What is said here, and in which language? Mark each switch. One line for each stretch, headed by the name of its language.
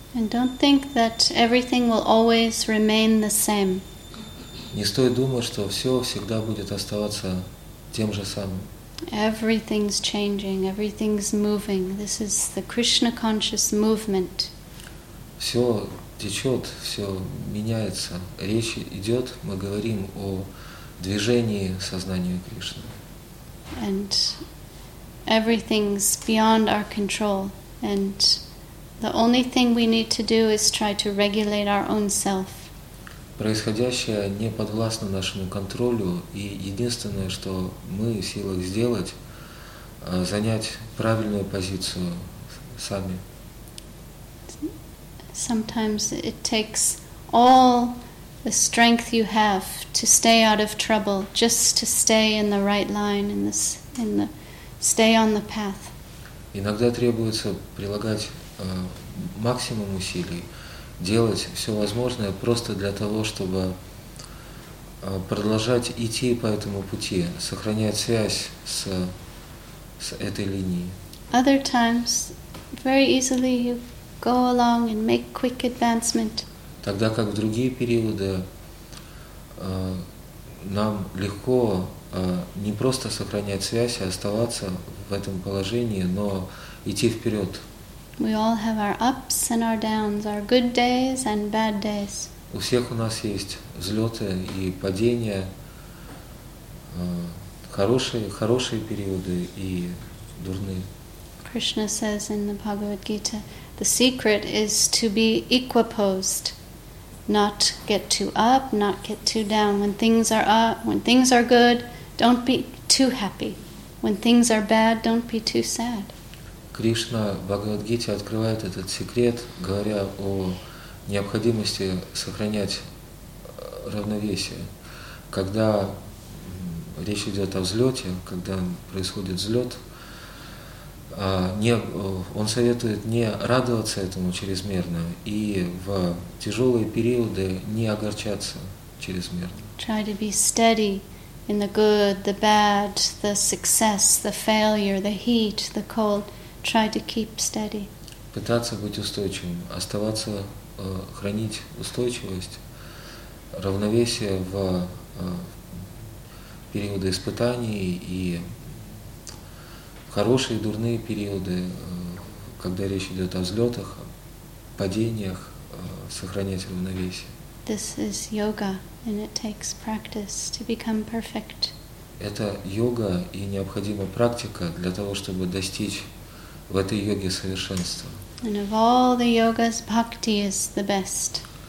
English: And don't think that everything will always remain the same.
Russian: Не стоит думать, что все всегда будет оставаться тем же самым.
English: Everything's changing, everything's moving. This is the Krishna conscious movement.
Russian: Все течет, все меняется. Речь идет, мы говорим о движении сознания Кришны.
English: And everything's beyond our control. And the only thing we need to do is try to regulate our own self.
Russian: Происходящее не подвластно нашему контролю, и единственное, что мы в силах сделать, занять правильную позицию сами.
English: Sometimes it takes all the strength you have to stay out of trouble, just to stay in the right line, in the stay on the path.
Russian: Иногда требуется прилагать максимум усилий, делать все возможное просто для того, чтобы продолжать идти по этому пути, сохранять связь с этой линией.
English: Other times, very easily you go along and make quick advancement.
Russian: Тогда как в другие периоды нам легко не просто сохранять связь, а оставаться в этом положении, но идти вперед.
English: We all have our ups and our downs, our good days and bad days.
Russian: У всех у нас есть взлеты и падения, хорошие периоды и дурные.
English: Krishna says in the Bhagavad Gita, the secret is to be equipoised, not get too up, not get too down. When things are up, when things are good, don't be too happy. When things are bad, don't be too sad.
Russian: Кришна в Бхагавад-гите открывает этот секрет, говоря о необходимости сохранять равновесие. Когда речь идет о взлете, когда происходит взлет, он советует не радоваться этому чрезмерно и в тяжелые периоды не огорчаться чрезмерно.
English: Try to be steady in the good, the bad, the success, the failure, the heat, the cold. Try to keep steady.
Russian: Пытаться быть устойчивым, оставаться, хранить устойчивость, равновесие в периоды испытаний и хорошие и дурные периоды, когда речь идет о взлетах, падениях, сохранять равновесие.
English: This is yoga, and it takes practice to become perfect.
Russian: Это йога, и необходима практика для того, чтобы достичь в этой йоге совершенства.
English: And of all the yogas, bhakti is the best.